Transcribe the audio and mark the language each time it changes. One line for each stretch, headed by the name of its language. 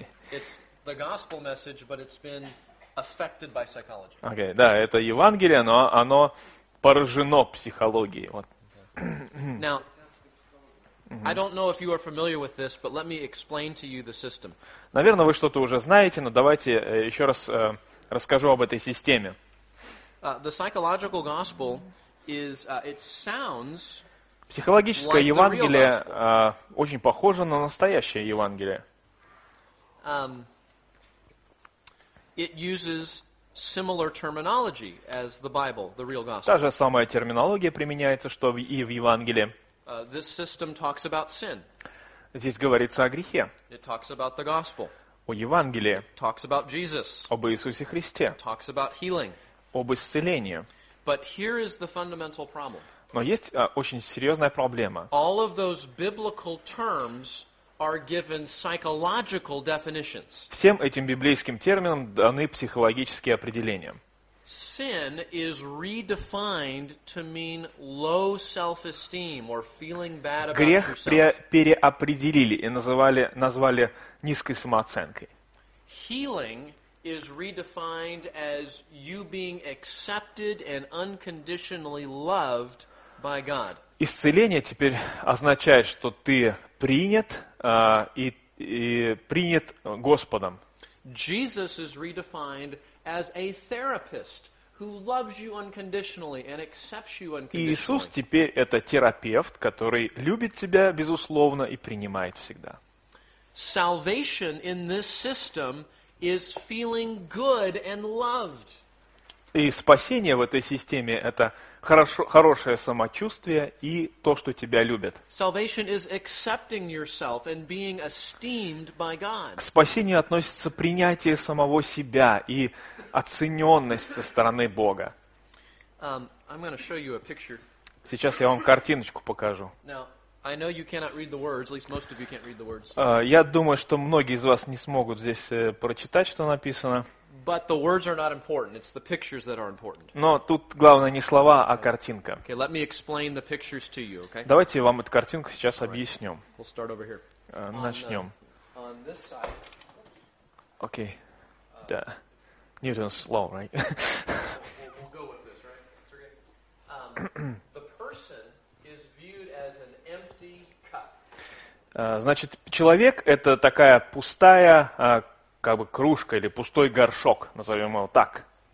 English: It's the gospel message, but it's been affected by psychology.
Russian: Okay, да, это Евангелие, но оно поражено психологией. Вот.
English: Now, I don't know if you are familiar with this, but let me explain to you the system.
Russian: Наверное, вы что-то уже знаете, но давайте еще раз расскажу об этой системе.
English: The psychological gospel is it sounds like the real gospel.
Russian: Психологическое Евангелие очень похоже на настоящее Евангелие.
English: It uses similar terminology as the Bible, the real gospel.
Russian: Та же самая терминология применяется, что и в Евангелии.
English: This system talks about sin.
Russian: Здесь говорится о грехе.
English: It talks about the gospel.
Russian: О Евангелии.
English: It talks about Jesus.
Russian: Об Иисусе Христе.
English: It talks about healing.
Russian: Об исцелении.
English: But here is the fundamental problem.
Russian: Но есть очень серьезная проблема.
English: All of those biblical terms are given psychological definitions.
Russian: Всем этим библейским терминам даны психологические определения.
English: Sin is redefined to mean low self-esteem or feeling bad about yourself.
Russian: Грех переопределили и назвали низкой самооценкой.
English: Healing is redefined as you being accepted and unconditionally loved by God.
Russian: Исцеление теперь означает, что ты принят и принят Господом.
English: Jesus is redefined as a therapist who loves you unconditionally and accepts you unconditionally.
Russian: Иисус теперь это терапевт, который любит тебя безусловно и принимает всегда.
English: Salvation in this system is feeling good and loved.
Russian: И спасение в этой системе это хорошее самочувствие и то, что тебя любят.
English: Salvation is accepting yourself and being esteemed by God.
Russian: К спасению относится принятие самого себя и оцененность со стороны Бога.
English: I'm going to show you a picture.
Russian: Сейчас я вам картиночку покажу.
English: Now, I know you cannot read the words, at least most of you can't read the words.
Russian: Я думаю, что многие из вас не смогут здесь прочитать, что написано.
English: But the words are not important. It's the pictures that are important.
Russian: Но тут главное не слова, а картинка.
English: Okay, let me explain the pictures to you, okay?
Russian: Давайте вам эту картинку сейчас объясню.
English: Right. We'll start over here.
Russian: Начнем.
English: On this side. Okay. Да. Newton's law, right? we'll go with this, right, Sergey? The person is viewed as an empty cup.
Russian: Значит, человек – это такая пустая как бы кружка или пустой горшок, назовем его так.